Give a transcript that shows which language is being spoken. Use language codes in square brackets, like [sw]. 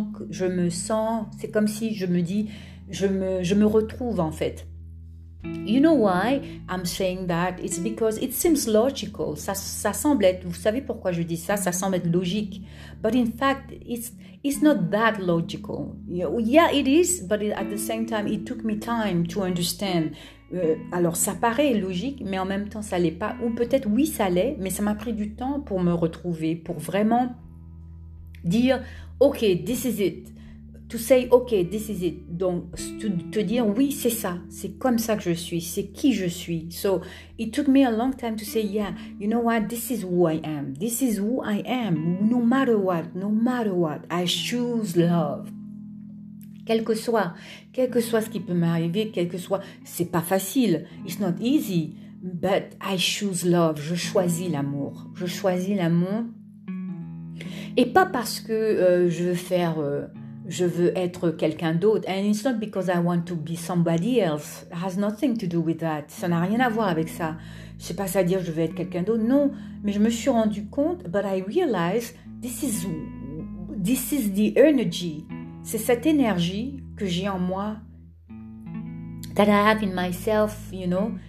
[fr] Je me sens, c'est comme si je me dis... Je me retrouve en fait. [en] You know why I'm saying that? It's because it seems logical. [fr] Ça semble être, vous savez pourquoi je dis ça? Ça semble être logique. [en] But in fact, it's not that logical. Yeah, it is, but at the same time, it took me time to understand. [fr] Alors, ça paraît logique, mais en même temps, ça l'est pas. Ou peut-être, oui, ça l'est, mais ça m'a pris du temps pour me retrouver, pour vraiment dire, [en] OK, this is it. To say, OK, this is it. [fr] Donc, te dire, oui, c'est ça. C'est comme ça que je suis. C'est qui je suis. [en] So, it took me a long time to say, yeah, you know what? This is who I am. This is who I am. No matter what. No matter what. I choose love. [fr] Quel que soit ce qui peut m'arriver, quel que soit, c'est pas facile. [en] It's not easy. But I choose love. [fr] Je choisis l'amour. Je choisis l'amour. Et pas parce que je veux être quelqu'un d'autre. [en] And it's not because I want to be somebody else. It has nothing to do with that. [fr] Ça n'a rien à voir avec ça. C'est pas ça à dire je veux être quelqu'un d'autre. Non. Mais je me suis rendu compte. [en] But I realized this is the energy. [fr] C'est cette énergie que j'ai en moi. [en] That I have in myself, you know.